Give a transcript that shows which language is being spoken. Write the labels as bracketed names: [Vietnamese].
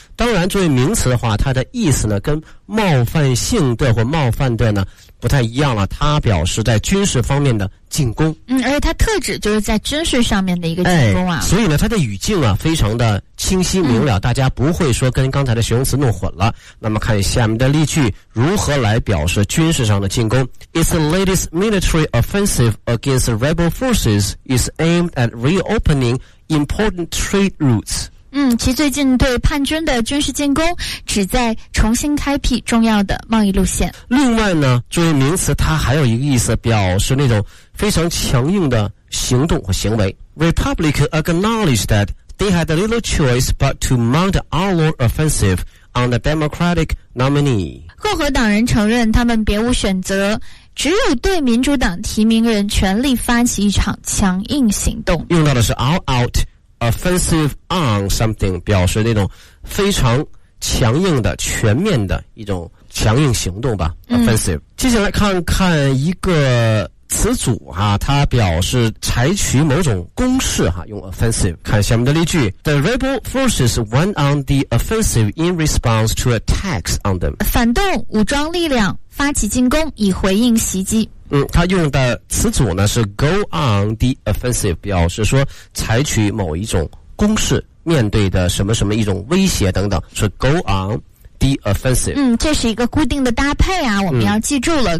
[Chinese] 当然作为名词的话，它的意思呢跟冒犯性的或冒犯的呢不太一样了，它表示在军事方面的进攻。嗯，而且它特指就是在军事上面的一个进攻啊。所以呢它的语境啊非常的清晰明了，大家不会说跟刚才的形容词弄混了。那么看下面的例句，如何来表示军事上的进攻。 [English] It's the latest military offensive against rebel forces is aimed at reopening important trade routes. [Chinese] 嗯，其最近对叛军的军事进攻旨在重新开辟重要的贸易路线。另外呢，作为名词它还有一个意思，表示那种非常强硬的行动和行为。 [English] Republic acknowledged that they had little choice but to mount our Lord offensive on the Democratic nominee. [Chinese] 共和党人承认他们别无选择，只有对民主党提名人全力发起一场强硬行动。用到的是 [English] all out offensive on something， [Chinese] 表示那种非常强硬的全面的一种强硬行动吧。offensive。接下来看看一个词组哈，它表示采取某种攻势哈，用 offensive。看下面的例句 [English] ：The rebel forces went on the offensive in response to attacks on them。 [Chinese] 反动武装力量发起进攻以回应袭击。嗯，它用的词组呢是 [English] go on the offensive， [Chinese] 表示说采取某一种攻势，面对的什么什么一种威胁等等，是 go on。Offensive，嗯，这是一个固定的搭配啊，我们要记住了。